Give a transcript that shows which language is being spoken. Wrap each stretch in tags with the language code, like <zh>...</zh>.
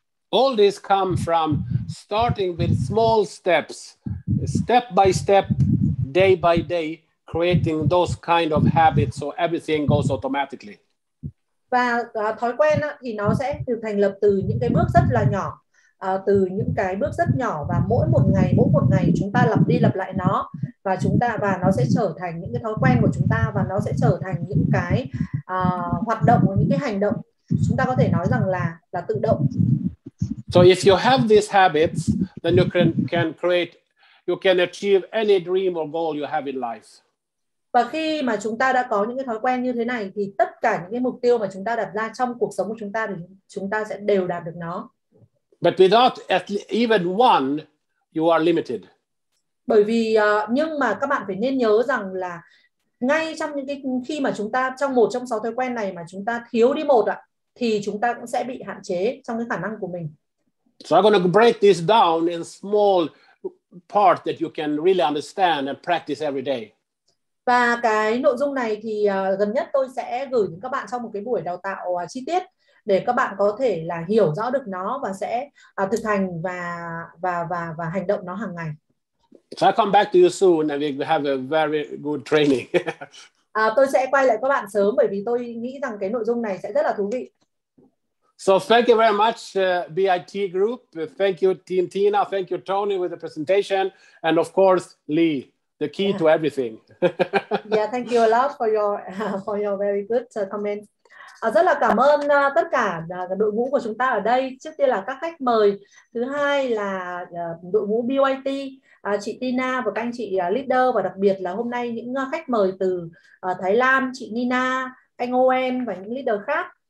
<en>All this come from starting with small steps, step by step, day by day, creating those kind of habits so everything goes automatically.</en> <vi>Và thói quen thì nó sẽ được thành lập từ những cái bước rất là nhỏ, từ những cái bước rất nhỏ, và mỗi một ngày chúng ta lặp đi lặp lại nó, và nó sẽ trở thành những cái thói quen của chúng ta, và nó sẽ trở thành những cái hoạt động, những cái hành động chúng ta có thể nói rằng là tự động.</vi> <en>So if you have these habits, then you can create, you can achieve any dream or goal you have in life.</en> <vi>Và khi mà chúng ta đã có những cái thói quen như thế này thì tất cả những cái mục tiêu mà chúng ta đặt ra trong cuộc sống của chúng ta thì chúng ta sẽ đều đạt được nó.</vi> <en>But without at least even one, you are limited.</en> <vi>Bởi vì nhưng mà các bạn phải nên nhớ rằng là ngay trong những cái khi mà chúng ta trong một trong 6 thói quen này mà chúng ta thiếu đi một ạ, thì chúng ta cũng sẽ bị hạn chế trong cái khả năng của mình.</vi> <en>So I'm going to break this down in small parts that you can really understand and practice every day.</en> <vi>Và cái nội dung này thì gần nhất tôi sẽ gửi đến các bạn trong một cái buổi đào tạo chi tiết để các bạn có thể là hiểu rõ được nó và sẽ thực hành và hành động nó hàng ngày.</vi> <en>So I come back to you soon and we have a very good training.</en> <vi>Tôi sẽ quay lại các bạn sớm bởi vì tôi nghĩ rằng cái nội dung này sẽ rất là thú vị.</vi> <en>So thank you very much, BIT Group. Thank you, Team Tina. Thank you, Tony, with the presentation. And of course, Lee, the key to everything. Yeah, thank you a lot for your very good comment.</en> <vi>Rất là cảm ơn tất cả đội ngũ của chúng ta ở đây. Trước tiên là các khách mời, thứ hai là đội ngũ BYT, chị Tina và các anh chị leader, và đặc biệt là hôm nay những khách mời từ Thái Lan, chị Nina, anh Owen và những leader khác.</vi>